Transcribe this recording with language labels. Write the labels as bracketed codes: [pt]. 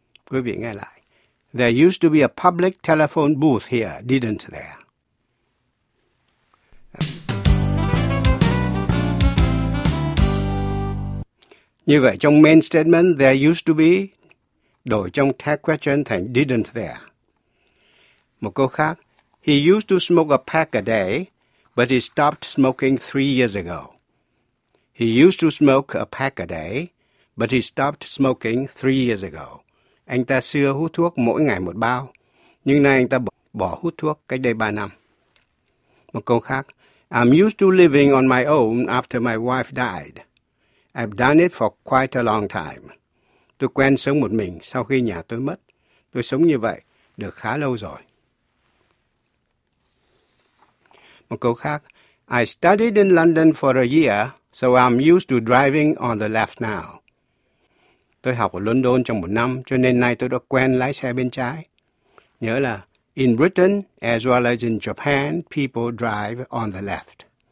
[vi] Quý vị nghe lại. [en] There used to be a public telephone booth here, didn't there. [vi] Như vậy, trong main statement, [en] there used to be, [vi] đổi trong tag question thành [en] didn't there. [vi] Một câu khác. [en] He used to smoke a pack a day, but he stopped smoking 3 years ago. He used to smoke a pack a day, but he stopped smoking 3 years ago. [vi] Anh ta xưa hút thuốc mỗi ngày một bao, nhưng nay anh ta bỏ hút thuốc cách đây 3 năm. Một câu khác. [en] I'm used to living on my own after my wife died. I've done it for quite a long time. [vi] Tôi quen sống một mình sau khi nhà tôi mất. Tôi sống như vậy được khá lâu rồi. Một câu khác. [en] I studied in London for a year, so I'm used to driving on the left now. [vi] Tôi học ở London trong một năm, cho nên nay tôi đã quen lái xe bên trái. Nhớ là, [en] in Britain as well as in Japan, people drive on the left.